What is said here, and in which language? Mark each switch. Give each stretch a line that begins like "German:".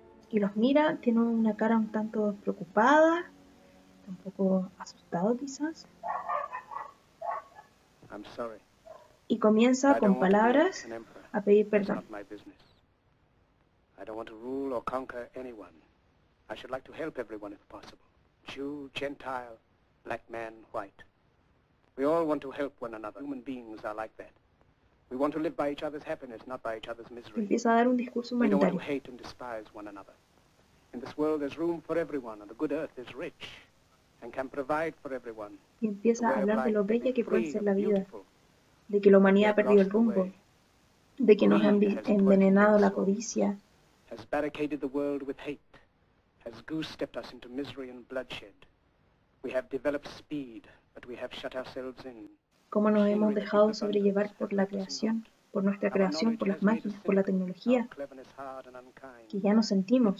Spanish: Y los mira, tiene una cara un tanto preocupada, un poco asustado quizás.
English: I'm sorry.
Spanish: Y comienza con palabras a pedir perdón.
English: It's not my business. I don't want to rule or conquer anyone. I should like to help everyone if possible. Jew, Gentile, black man, white. We all want to help one another. Human beings are like that. We want to live by each other's happiness, not by each other's misery.
Spanish: Empieza a dar un discurso humanitario.
English: We don't want to hate and despise one another. In this world there's room for everyone, and the good earth is rich and can provide for everyone.
Spanish: Y empieza a hablar de lo bella que puede ser la vida, de que la humanidad ha perdido el rumbo, de que nos han envenenado la codicia.
English: Has barricaded the world with hate, has goose-stepped us into misery and bloodshed. We have developed speed, but we have shut ourselves in.
Spanish: ¿Cómo nos hemos dejado sobrellevar por la creación, por nuestra creación, por las máquinas, por la tecnología, que ya no sentimos?